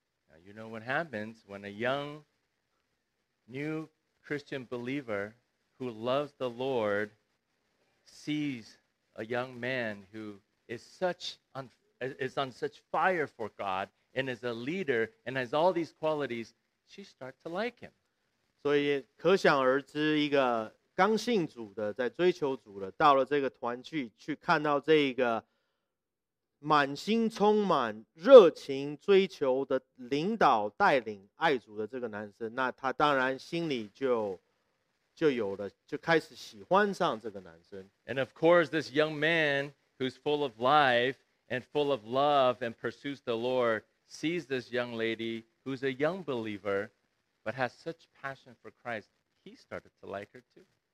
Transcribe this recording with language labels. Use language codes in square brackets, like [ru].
[en] Now you know what happens when a young, new Christian believer who loves the Lord sees a young man who is such is on such fire for God and is a leader and has all these qualities, she starts to like him. [zh] 所以可想而知，一个刚信主的，在追求主的，到了这个团聚，去看到这个满心充满热情追求的领导带领爱主的这个男生，那他当然心里就有了，就开始喜欢上这个男生。 [en] And of course, this young man who's full of life. And full of love and pursues the Lord, sees this young lady who's a young believer, but has such passion for Christ, he started to like her too.